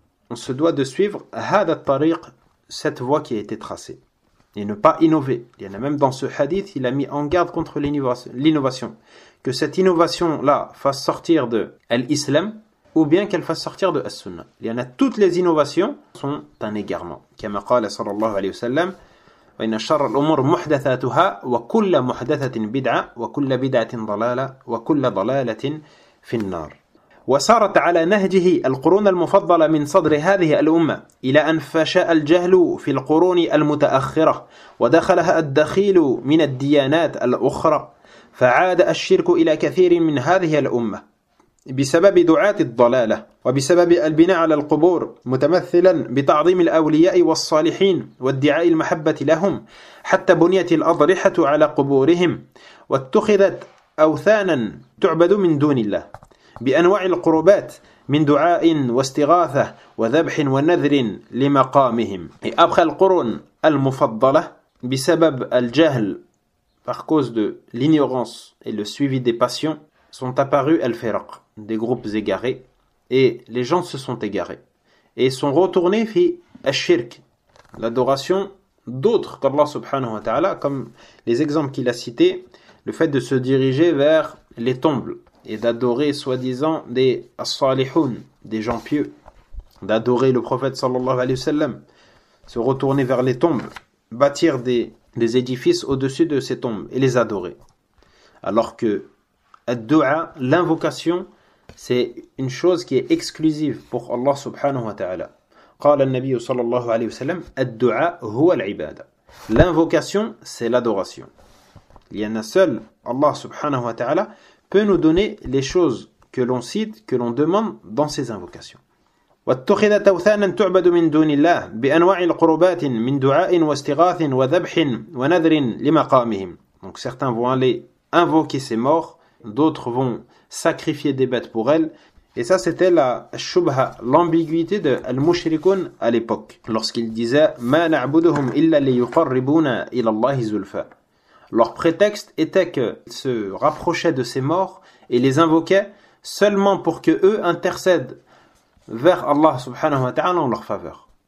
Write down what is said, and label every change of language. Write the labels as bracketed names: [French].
[French] On se doit de suivre [Arabic] hada tariq, [French] cette voie qui a été tracée, et ne pas innover. Il y en a même dans ce hadith, il a mis en garde contre l'innovation. Que cette innovation-là fasse sortir de l'islam, ou bien qu'elle fasse sortir de l'as-sunnah. Il y en a toutes les innovations sont un égarement. Comme a dit [Arabic] sallallahu alayhi wa sallam, وإن شر الأمور محدثاتها وكل محدثة بدعة وكل بدعة ضلالة وكل ضلالة في النار وسارت على نهجه القرون المفضلة من صدر هذه الأمة إلى أن فشاء الجهل في القرون المتأخرة ودخلها الدخيل من الديانات الأخرى فعاد الشرك إلى كثير من هذه الأمة بسبب دعاة الضلالة وبسبب البناء على القبور متمثلا بتعظيم الأولياء والصالحين وادعاء المحبة لهم حتى بنيت الأضرحة على قبورهم واتخذت أوثانا تعبد من دون الله بأنواع القربات من دعاء واستغاثة وذبح ونذر لمقامهم. أبخل القرون المفضلة بسبب الجهل [French] par cause de l'ignorance et le suivi des passions sont apparus al-firq, des groupes égarés, et les gens se sont égarés et sont retournés fi al-shirk, l'adoration d'autres qu'Allah subhanahu wa ta'ala, comme les exemples qu'il a cités, le fait de se diriger vers les tombes et d'adorer soi-disant des as-salihun, des gens pieux, d'adorer le prophète sallallahu alayhi wa sallam, se retourner vers les tombes, bâtir des édifices au-dessus de ces tombes et les adorer. Alors que ad-du'a, l'invocation, c'est une chose qui est exclusive pour Allah subhanahu wa ta'ala. [Arabic] قال النبي صلى الله عليه وسلم الدعاء هو العبادة. [French] L'invocation, c'est l'adoration. Il y en a seul, Allah subhanahu wa ta'ala peut nous donner les choses que l'on cite, que l'on demande dans ses invocations. [Arabic] واتخذت أوثانا تعبد من دون الله بأنواع القربات من دعاء واستغاث وذبح ونذر لمقامهم. [French] Donc certains vont aller invoquer ses morts, d'autres vont sacrifier des bêtes pour elles. Et ça, c'était la shubha, l'ambiguïté de al-mushrikun à l'époque, lorsqu'ils disaient [Arabic] ma na'buduhum illa liyuqarribuna ila Allah zulfa. [French] Leur prétexte était qu'ils se rapprochaient de ces morts et les invoquaient seulement pour que eux intercèdent vers Allah subhanahu wa ta'ala en leur faveur.